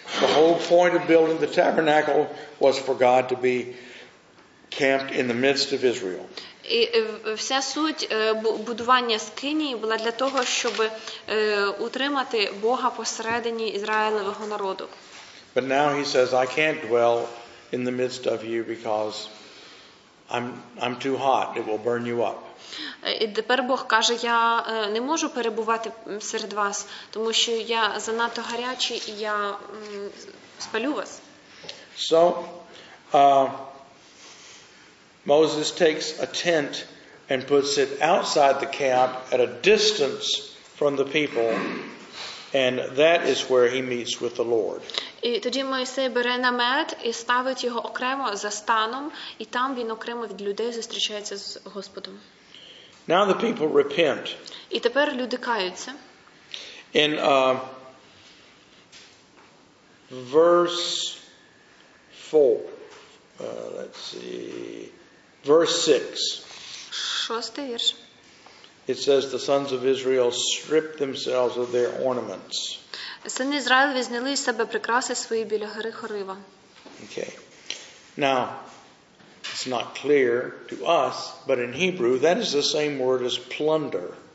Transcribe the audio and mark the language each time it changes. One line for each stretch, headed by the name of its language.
English: The whole point of building the tabernacle was for God to be camped in the midst of Israel.
Ukrainian: І вся суть будування скинії була для того, щоб утримати Бога посередині Ізраїлевого народу.
English: But now he says, I can't dwell in the midst of you because I'm too hot. It will burn you up.
Ukrainian: І тепер Бог каже, я не можу перебувати серед вас, тому що я занадто гарячий і я спалю вас.
English: So, Moses takes a tent and puts it outside the camp at a distance from the people, and that is where he meets with the Lord.
Ukrainian: І тоді Мойсей бере намет і ставить його окремо за станом, і там він окремо від людей зустрічається з Господом.
English: Now the people repent.
Ukrainian: І тепер люди каються.
English: In verse 4, let's see, verse 6.
Ukrainian: Шостий вірш.
English: It says the sons of Israel stripped themselves of their ornaments.
Ukrainian: Сини Ізраїлеві зняли з себе прикраси свої біля гори Хорива.
English: Okay. Now, it's not clear to us, but in Hebrew, that is the same word as plunder.